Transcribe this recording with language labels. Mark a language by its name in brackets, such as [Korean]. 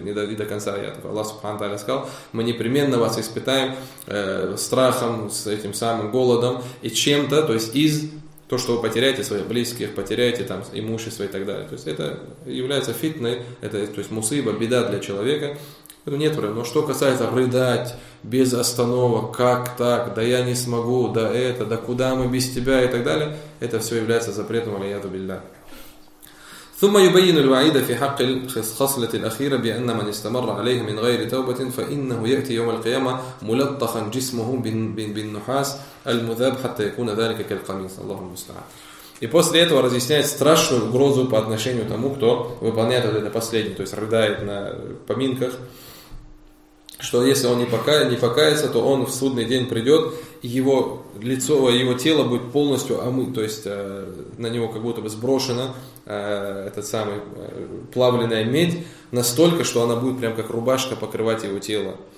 [Russian] И до конца аятов. Аллах Субхану Тааля сказал, мы непременно вас испытаем страхом, с этим самым голодом и чем-то, то есть из то, что вы потеряете своих близких, потеряете там имущество и так далее. То есть это является фитной, это, то есть мусыба, беда для человека. Это нет проблем. Но что касается рыдать без остановок, как так, да я не смогу, да это, да куда мы без тебя и так далее, это все является запретом, [Arabic] алейяду биллях. ثم يبين الوعيد في حق الخصلة الأخيرة بأن من استمر عليه من غير توبة فإنه يأتي يوم القيامة ملطخا جسمه بالنحاس المذاب حتى يكون ذلك كالقميص اللهم المستعان. [Russian] И после этого разъясняет страшную угрозу по отношению тому, кто выполняет вот это последнее, то есть рыдает на поминках, что если он не покается, то он в судный день придет, его лицо, его тело будет полностью омыто, то есть на него как будто бы сброшено этот самый плавленая медь, настолько, что она будет прям как рубашка покрывать его тело.